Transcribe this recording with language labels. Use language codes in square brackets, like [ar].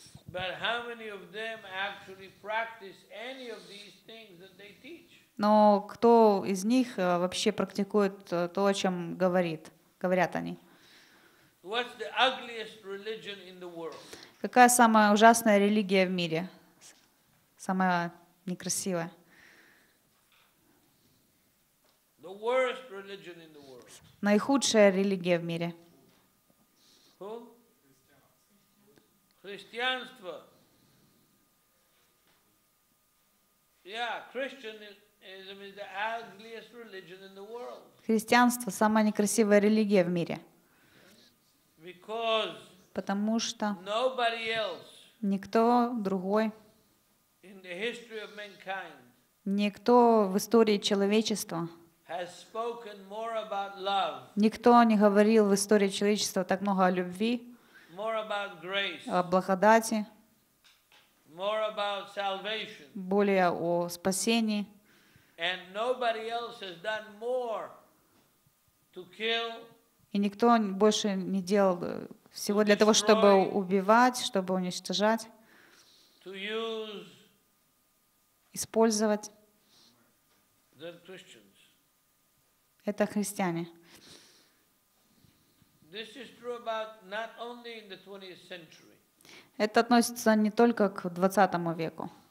[en] But how many of them actually practice any of these things that they teach? [ru] Но кто из них вообще практикует то, о чем говорят они? [en] What's the ugliest religion in the world? [ru] Какая самая ужасная религия в мире? Самая некрасивая. [en] The worst religion in the world. [ru] Наихудшая религия в мире. [en] Who? [ru] Христианство. [en] Yeah, Christianism is the ugliest religion in the world. [ru] Христианство самая некрасивая религия в мире. [en] Because. [ru] Потому что. [en] Nobody else. [ru] Никто другой. [en] In the history of mankind. [ru] Никто в истории человечества. [en] Has spoken more about love. [ru] Никто не говорил в истории человечества так много о любви. [en] More about grace. [ru] О благодати. [en] more about salvation. [ru] Более о спасении. [en] And nobody else has done more to kill. [ru] И никто больше не делал всего для того, чтобы убивать, чтобы уничтожать, [en] to use, [ru] использовать. [en] The Christians. [ru] Это христиане. [en] This is true about not only in the 20th century. [ru] Это относится не только к 20 веку.